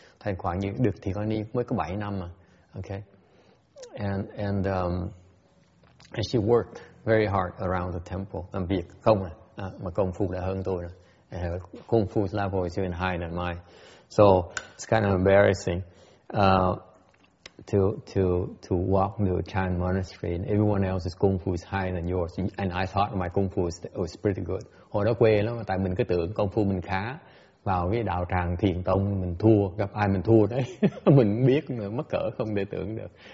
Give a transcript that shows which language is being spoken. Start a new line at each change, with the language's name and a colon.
Vietnamese: Thành khoảng như được thì con đi mới có 7 năm mà. Okay.
English: And she worked very hard around the temple.
Vietnamese: Làm việc không à, mà công phu đã hơn tôi rồi. Công phu
English: level is even higher than mine. So it's kind of embarrassing to walk into a Chan monastery and everyone else's kung fu is higher than yours. And I thought my kung fu was pretty good.
Vietnamese: Hồi đó quê lắm, tại mình cứ tưởng kung fu mình khá. Vào cái đạo tràng thiền tông mình thua, gặp ai mình thua đấy. Mình biết mà mất cỡ không để tưởng được.